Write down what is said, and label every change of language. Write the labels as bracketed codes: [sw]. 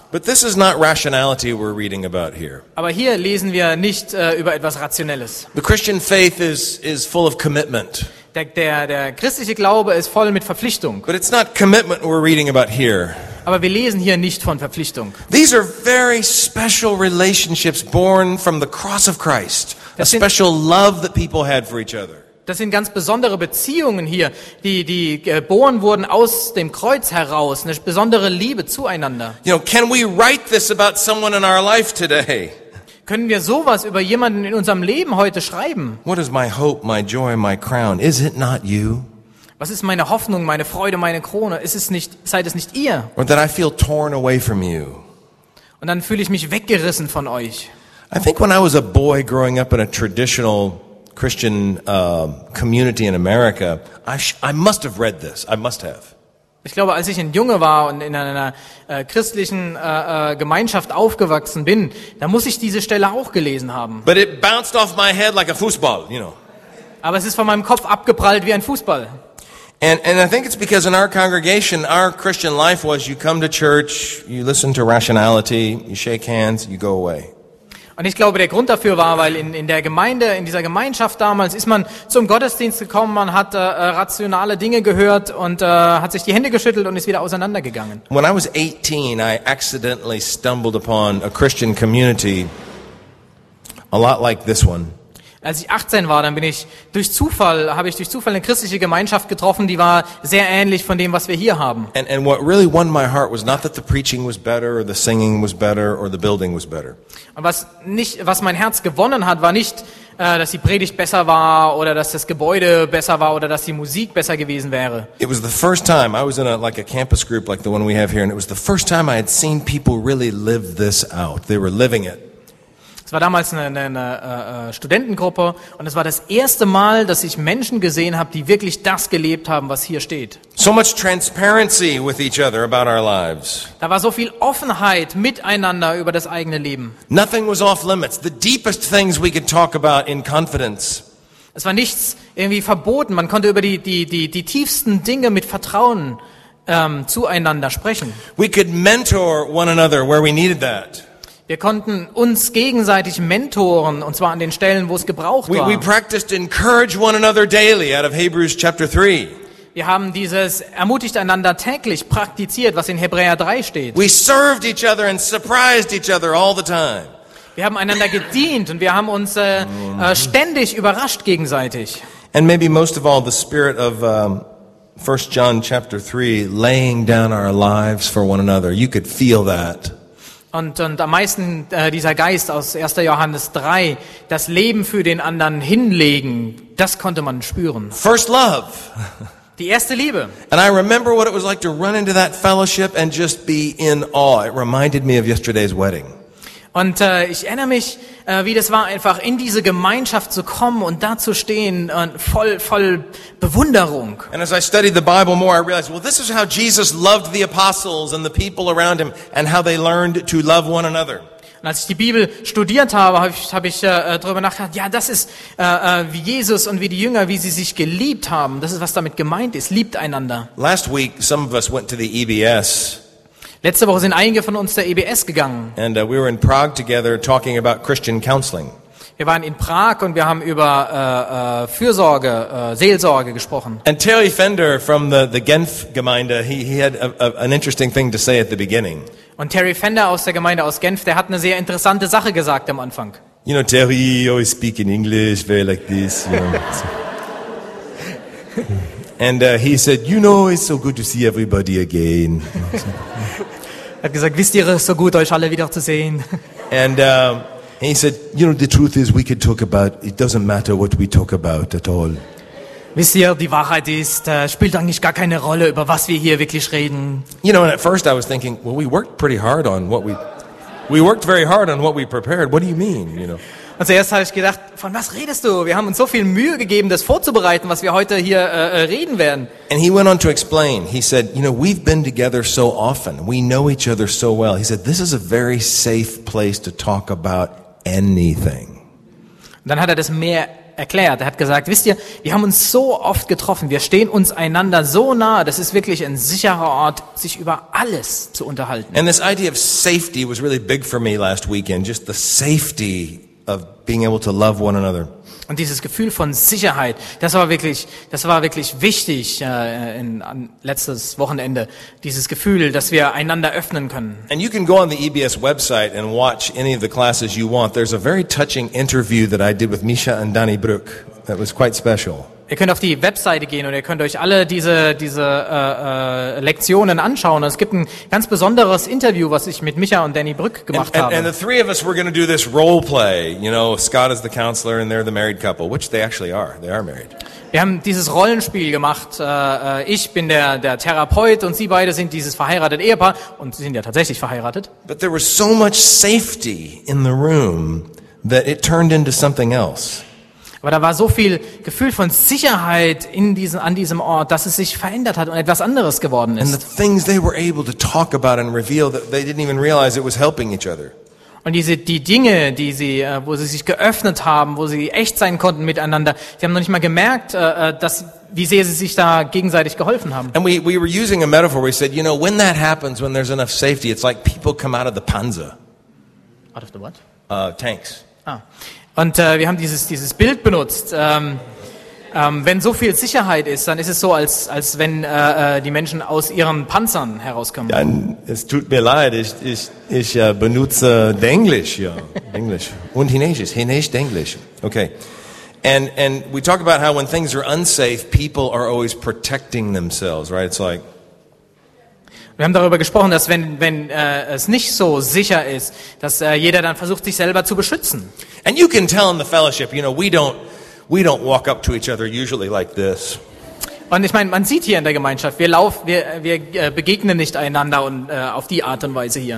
[en] But this is not rationality we're reading about here. [de] Aber hier lesen wir nicht über etwas Rationelles. [en] The Christian faith is full of commitment. [de] Der christliche Glaube ist voll mit Verpflichtung. [en] But it's not commitment we're reading about here. [de] Aber wir lesen hier nicht von Verpflichtung. [en] These are very special relationships born from the cross of Christ. A special love that people had for each other. [de] Das sind ganz besondere Beziehungen hier, die geboren wurden aus dem Kreuz heraus, eine besondere Liebe zueinander. [en] You know, can we write this about someone in our life today? [de] Können wir sowas über jemanden in unserem Leben heute schreiben? [en] What is my hope, my joy, my crown? Is it not you? [de] Was ist meine Hoffnung, meine Freude, meine Krone? Ist es nicht, seid es nicht ihr? [en] Or that I feel torn away from you. [de] Und dann fühle ich mich weggerissen von euch. [en] I think when I was a boy growing up in a traditional Christian community in America, I must have read this. I must have. [de] Ich glaube, als ich ein Junge war und in einer christlichen Gemeinschaft aufgewachsen bin, da muss ich diese Stelle auch gelesen haben. [en] But it bounced off my head like a football, you know. [de] Aber es ist von meinem Kopf abgeprallt wie ein Fußball. [en] And I think it's because in our congregation, our Christian life was: you come to church, you listen to rationality, you shake hands, you go away. [de] Und ich glaube, der Grund dafür war, weil in der Gemeinde, in dieser Gemeinschaft damals, ist man zum Gottesdienst gekommen, man hat rationale Dinge gehört und hat sich die Hände geschüttelt und ist wieder auseinandergegangen. [en] When I was 18, I accidentally stumbled upon a Christian community, a lot like this one. [de] Als ich 18 war, dann habe ich durch Zufall eine christliche Gemeinschaft getroffen, die war sehr ähnlich von dem, was wir hier haben. [en] And what really won my heart was not that the preaching was better or the singing was better or the building was better. [de] Und was mein Herz gewonnen hat, war nicht, dass die Predigt besser war oder dass das Gebäude besser war oder dass die Musik besser gewesen wäre. [en] It was the first time I was in a campus group like the one we have here, and it was the first time I had seen people really live this out. They were living it. [de] Es war damals eine Studentengruppe und es war das erste Mal, dass ich Menschen gesehen habe, die wirklich das gelebt haben, was hier steht. [en] So much transparency with each other about our lives. [de] Da war so viel Offenheit miteinander über das eigene Leben. [en] Nothing was off limits. The deepest things we could talk about in confidence. [de] Es war nichts irgendwie verboten. Man konnte über die tiefsten Dinge mit Vertrauen zueinander sprechen. [en] We could mentor one another where we needed that. [de] Wir konnten uns gegenseitig mentoren, und zwar an den Stellen, wo es gebraucht war. [en] We practiced encourage one another daily out of Hebrews chapter 3. [de] Wir haben dieses ermutigt einander täglich praktiziert, was in Hebräer 3 steht. [en] We served each other and surprised each other all the time. [de] Wir haben einander gedient und wir haben uns ständig überrascht gegenseitig. [en] And maybe most of all the spirit of 1 John chapter 3, laying down our lives for one another. You could feel that. [de] Und am meisten dieser Geist aus 1. Johannes 3, das Leben für den anderen hinlegen, das konnte man spüren. [en] First love. [de] Die erste Liebe. [en] And I remember what it was like to run into that fellowship and just be in awe. It reminded me of yesterday's wedding. [de] Und ich erinnere mich, wie das war, einfach in diese Gemeinschaft zu kommen und da zu stehen, voll Bewunderung. [en] And as I studied the Bible more, I realized, well, this is how Jesus loved the apostles and the people around him and how they learned to love one another. [de] Und als ich die Bibel studiert habe, habe ich darüber nachgedacht, ja, das ist wie Jesus und wie die Jünger, wie sie sich geliebt haben. Das ist, was damit gemeint ist, liebt einander. [en] Last week, some of us went to the EBS. [de] Letzte Woche sind einige von uns zur EBS gegangen. [en] And we were in Prague together talking about Christian counseling. [de] Wir waren in Prag und wir haben über Fürsorge, Seelsorge gesprochen. [en] And Terry Fender from the Genf Gemeinde, he had an interesting thing to say at the beginning. [de] Und Terry Fender aus der Gemeinde aus Genf, der hat eine sehr interessante Sache gesagt am Anfang. [en] You know, Terry, you always speak in English, very like this, you know. And he said, you know, it's so good to see everybody again. [de] Er hat gesagt, wisst ihr, es ist so gut, euch alle wieder zu sehen. [en] And he said, you know, the truth is, we could talk about, it doesn't matter what we talk about at all. [de] Wisst ihr, die Wahrheit ist, spielt eigentlich gar keine Rolle, über was wir hier wirklich reden. [en] You know, and at first I was thinking, well, we worked pretty hard on what we worked very hard on what we prepared. What do you mean, you know? [de] Und zuerst habe ich gedacht, von was redest du? Wir haben uns so viel Mühe gegeben, das vorzubereiten, was wir heute hier reden werden. [en] And he went on to explain. He said, you know, we've been together so often. We know each other so well. He said, this is a very safe place to talk about anything. [de] Und dann hat er das mehr erklärt. Er hat gesagt, wisst ihr, wir haben uns so oft getroffen. Wir stehen uns einander so nahe. Das ist wirklich ein sicherer Ort, sich über alles zu unterhalten. [en] And this idea of safety was really big for me last weekend. Just the safety of being able to love one another. [de] Und dieses Gefühl von Sicherheit, das war wirklich wichtig in letztes Wochenende, dieses Gefühl, dass wir einander öffnen können. [en] And you can go on the EBS website and watch any of the classes you want. There's a very touching interview that I did with Misha and Danny Brook that was quite special. [de] Ihr könnt auf die Webseite gehen und ihr könnt euch alle diese Lektionen anschauen. Und es gibt ein ganz besonderes Interview, was ich mit Micha und Danny Brück gemacht habe. [en] And the three of us were going to do this role play. You know, Scott is the counselor and they're the married couple, which they actually are. They are married. [de] Wir haben dieses Rollenspiel gemacht. Ich bin der Therapeut und Sie beide sind dieses verheiratete Ehepaar und Sie sind ja tatsächlich verheiratet. [en] But there was so much safety in the room that it turned into something else. [de] Aber da war so viel Gefühl von Sicherheit an diesem Ort, dass es sich verändert hat und etwas anderes geworden ist. [en] And the things they were able to talk about and reveal that they didn't even realize it was helping each other. [de] Und die Dinge, die sie, wo sie sich geöffnet haben, wo sie echt sein konnten miteinander, sie haben noch nicht mal gemerkt, dass wie sehr sie sich da gegenseitig geholfen haben. [en] And we were using a metaphor. We said, you know, when that happens, when there's enough safety, it's like people come out of the Panzer. Out of the what? Tanks. [de] Ah. Und wir haben dieses Bild benutzt. Wenn so viel Sicherheit ist, dann ist es so, als wenn die Menschen aus ihren Panzern herauskommen. Ja, es tut mir leid, ich benutze Englisch, ja, Englisch und Chinesisch. Chinesisch, Englisch. Okay. [en] And we talk about how when things are unsafe, people are always protecting themselves, right? It's like [de] wir haben darüber gesprochen, dass wenn es nicht so sicher ist, dass jeder dann versucht, sich selber zu beschützen. [en] And you can tell in the fellowship, you know, we don't walk up to each other usually like this. [de] Und ich meine, man sieht hier in der Gemeinschaft, wir begegnen nicht einander und auf die Art und Weise hier.